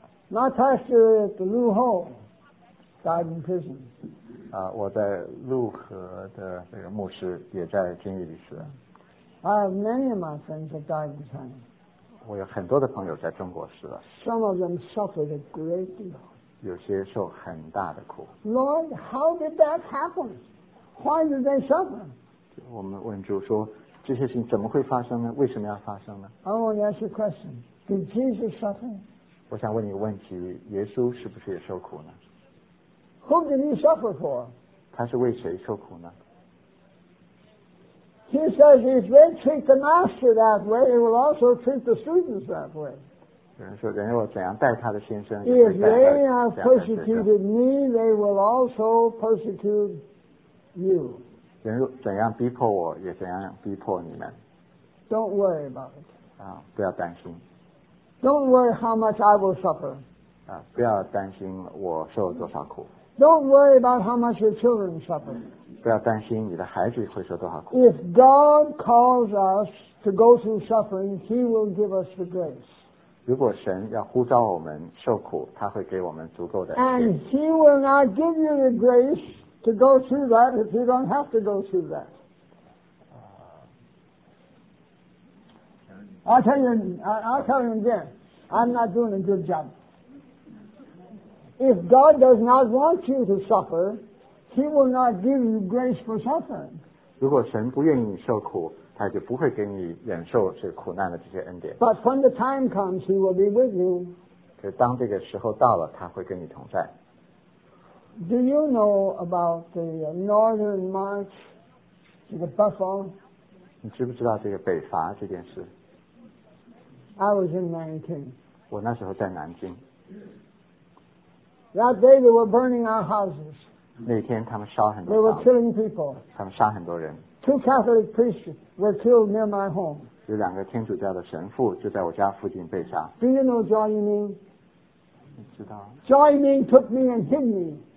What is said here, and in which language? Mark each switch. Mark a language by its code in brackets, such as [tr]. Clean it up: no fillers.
[en] My pastor at the Lu Ho died in prison. [zh] 我在陆河的这个牧师也在监狱里死。 [en] I have many of my friends that died in China. [zh] 我有很多的朋友在中国死了。 [en] Some of them suffered a great deal. [zh] 有些受很大的苦。 [en] Lord, how did that happen? Why did they suffer? [zh] 我们问主说，这些事情怎么会发生呢？为什么要发生呢？ [en] I want to ask you a question. Did Jesus suffer? [zh] 我想问你一个问题，耶稣是不是也受苦呢？ [en] Who did he suffer for? [zh] 他是为谁受苦呢？ [en] He says if they treat the master that way, they will also treat the students that way. [zh] 有人说，人要怎样待他的先生？ [en] If they have persecuted me, they will also persecute you. [zh] 人要怎样逼迫我，也怎样逼迫你们。 [en] Don't worry about it. [zh] 不要担心。 [en] Don't worry how much I will suffer. [zh] 不要担心我受多少苦。 [en] Don't worry about how much your children suffer. [zh] 不要担心你的孩子会受多少苦。 [en] If God calls us to go through suffering, He will give us the grace. [zh] 如果神要呼召我们受苦，他会给我们足够的。 [en] And He will not give you the grace to go through that if you don't have to go through that. I'll tell you again, I'm not doing a good job. If God does not want you to suffer, He will not give you grace for suffering. [zh] 如果神不愿意你受苦，他就不会给你忍受这苦难的这些恩典。 [en] But when the time comes, He will be with you. [zh] 可是当这个时候到了，他会跟你同在。 [en] Do you know about the Northern March, the Buffalo? [zh] 你知不知道这个北伐这件事？ [en] I was in 19. [zh] 我那时候在南京。 [en] That day they were burning our houses. [zh] 那天他们烧很多房子。 [en] They were killing people. [zh] 他们杀很多人。 [en] Two Catholic priests were killed near my home. [zh] 有两个天主教的神父就在我家附近被杀。 [en] Do you know Zhao Yiming? [zh] 知道。 [en] Zhao Yiming took me and hid me.